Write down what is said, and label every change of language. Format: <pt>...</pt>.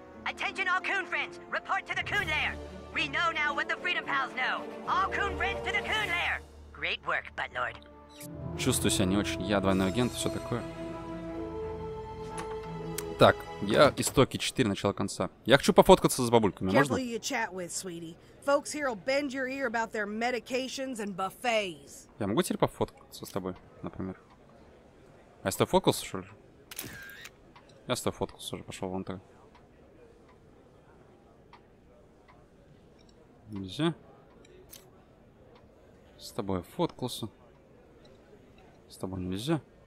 <en>Attention all Coon friends, report to the Coon Lair. We know now what the Freedom Pals know. All Coon friends to the Coon Lair. Great work, Buttlord.</en> <ru>Чувствую себя не очень. Я двойной агент, все такое. Так, я истоки 4, начало конца. Я хочу пофоткаться с бабульками, можно?</ru> <en>Careful who you chat with, sweetie. Folks here will bend your ear about their medications and buffets.</en> <ru>Я могу теперь пофоткаться с тобой, например? А я с тобой фоткался, что ли? Я с тобой фоткался уже, пошел вон так. Нельзя. С тобой фоткался. С тобой нельзя.</ru>